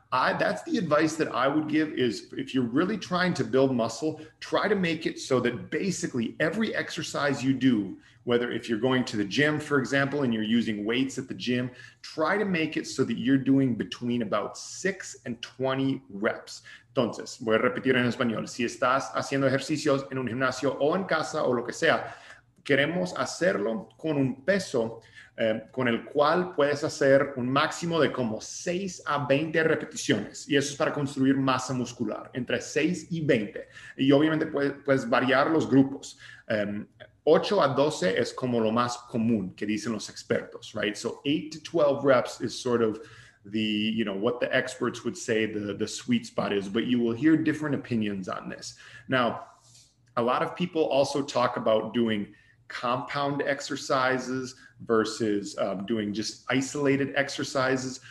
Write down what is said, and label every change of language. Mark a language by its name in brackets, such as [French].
[English] That's the advice that I would give, is if you're really trying to build muscle, try to make it so that basically every exercise you do, whether if you're going to the gym, for example, and you're using weights at the gym, try to make it so that you're doing between about 6 and 20 reps. [Spanish] Entonces, voy a repetir en español. Si estás haciendo ejercicios en un gimnasio o en casa o lo que sea, queremos hacerlo con un peso con el cual puedes hacer un máximo de como 6 a 20 repeticiones. Y eso es para construir masa muscular, entre 6 y 20. Y obviamente puedes variar los grupos. 8 a 12 es como lo más común que dicen los expertos, right? [English] So 8 to 12 reps is sort of the, you know, what the experts would say the sweet spot is. But you will hear different opinions on this. Now, a lot of people also talk about doing compound exercises versus doing just isolated exercises.